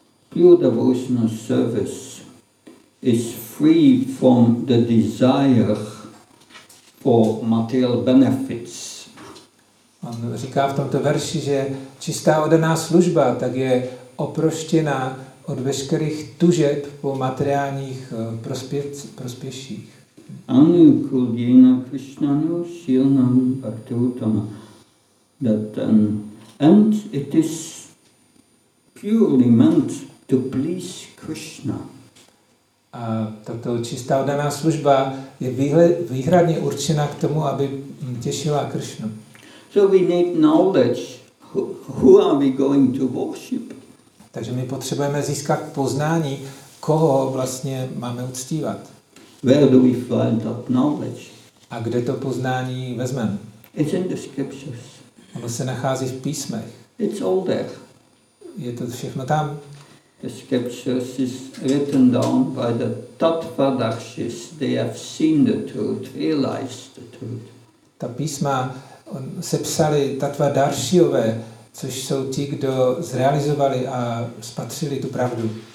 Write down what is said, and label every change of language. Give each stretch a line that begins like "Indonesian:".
English: Pure devotional service is free from the desire for material benefits.
Czech: On říká v tomto verši, že čistá oddaná služba tak je oproštěná od veškerých tužeb po materiálních prospěších.
Sanskrit: Only could be in a Krishna no shilnam bhaktivutama.
English: That and it is purely meant to please Krishna.
Czech: A tato čistá oddaná služba je výhradně určena k tomu, aby těšila Krishnu.
English: So we need knowledge. Who are we going to worship?
Czech: Takže my potřebujeme získat poznání, koho vlastně máme uctívat.
English: Where do we find that knowledge?
Czech: A kde to poznání vezmeme?
English: It's in the scriptures.
Czech: Ono se nachází v písmech.
English: It's all there.
Czech: Je to všechno tam.
English: The scriptures is written down by the tattva-darshis. They have seen the truth, realized the truth.
Czech: Ta písma se psali tattva-darshiové, což jsou ti, kdo zrealizovali a spatřili tu pravdu.